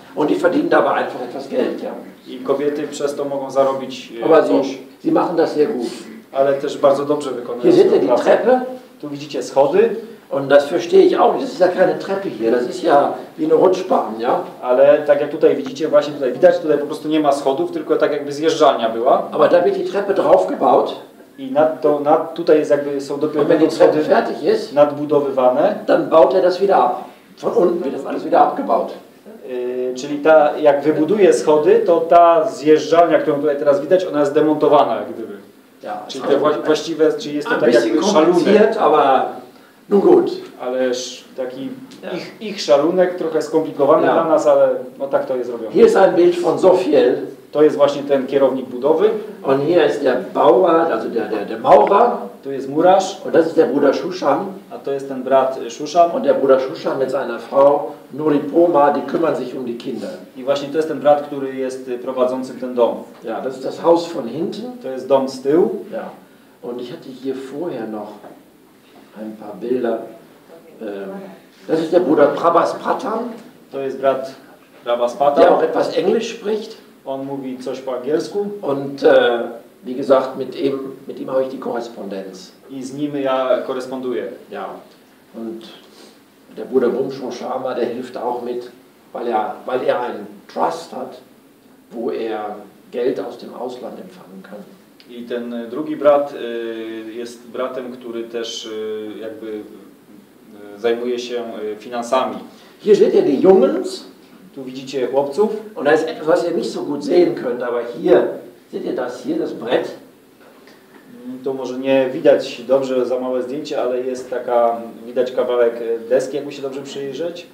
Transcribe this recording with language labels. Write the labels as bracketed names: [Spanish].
[German] Und die verdienen dabei einfach etwas Geld, ja. [Polish] I kobiety przez to mogą zarobić coś. [German] Sie machen das sehr gut. [Polish] Ale też bardzo dobrze wykonują. [German] Hier seht ihr die Treppe. [Polish] Tu widzicie schody. [German] Und das verstehe ich auch. Das ist ja keine Treppe hier. Das ist ja wie eine Rutschbahn, ja. [Polish] Ale tak jak tutaj widzicie, właśnie tutaj widać, tutaj po prostu nie ma schodów, tylko tak jakby zjeżdżalnia była. [German] Aber da wird die Treppe draufgebaut. [Polish] I tutaj jest jakby są dopiero schody nadbudowywane. [German] Dann baut er das wieder ab. Von unten wird das alles wieder abgebaut. [Polish] Czyli ta, jak wybuduje schody, to ta zjeżdżalnia, którą tutaj teraz widać, ona jest demontowana, jak gdyby. [German] Ja, [Polish] czyli to właściwe, czyli jest to tak jakby szalunek. [German] No gut. [Polish] Ależ taki ich szalunek, trochę skomplikowany dla nas, ale no tak to jest robione. [German] Hier ist ein Bild von Zofiel. [Polish] To jest właśnie ten kierownik budowy. [German] On hier ist der Bauer, also der Maurer. [Polish] To jest murarz. [German] Und das ist der Bruder Shushan. [Polish] A to jest ten brat Shushan. [German] Und der Bruder Shushan mit seiner Frau Nuripoma, die kümmern sich um die Kinder. [Polish] I właśnie to jest ten brat, który jest prowadzącym ten dom. [German] Ja, das ist das Haus von hinten. [Polish] To jest dom z tyłu. [German] Ja. Und ich hatte hier vorher noch ein paar Bilder. Das ist der Bruder Prabhas Patan. [Polish] To jest brat Prabhas Patan. [German] Der auch etwas Englisch spricht. [Polish] On mówi coś po angielsku. [German] Und wie gesagt, mit ihm habe ich die Korrespondenz. [Polish] I z nim ja koresponduję. [German] Ja. Und der Bruder Bumshaw Sharma, der hilft auch mit, weil er einen Trust hat, wo er Geld aus dem Ausland empfangen kann. [Polish] I ten drugi brat jest bratem, który też jakby zajmuje się finansami. [German] Hier seht ihr die Jungs. [Polish] Tu widzicie chłopców. [German] Und da ist etwas, was ihr nicht so gut sehen könnt, aber hier seht ihr das hier, das Brett. [Polish] To może nie widać dobrze za małe zdjęcie, ale jest taka, widać kawałek deski, jakby się dobrze przyjrzeć.